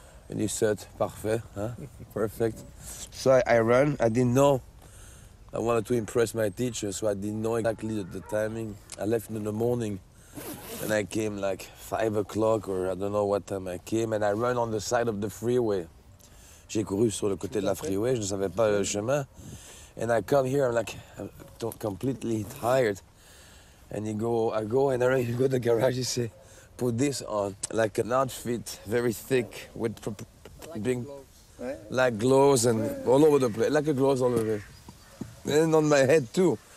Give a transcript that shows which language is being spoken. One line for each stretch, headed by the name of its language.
English: And he said, parfait, huh? Perfect. So I ran, I didn't know. I wanted to impress my teacher, so I didn't know exactly the timing. I left in the morning, and I came like 5 o'clock, or I don't know what time I came, and I ran on the side of the freeway.
French: J'ai couru sur le côté de la freeway, je ne savais pas le chemin.
English: And I come here, I'm completely tired. And I go, and I go to the garage, you say, put this on, like an outfit, very thick, with big, like gloves, and all over the place, like a gloves all over. And on my head too.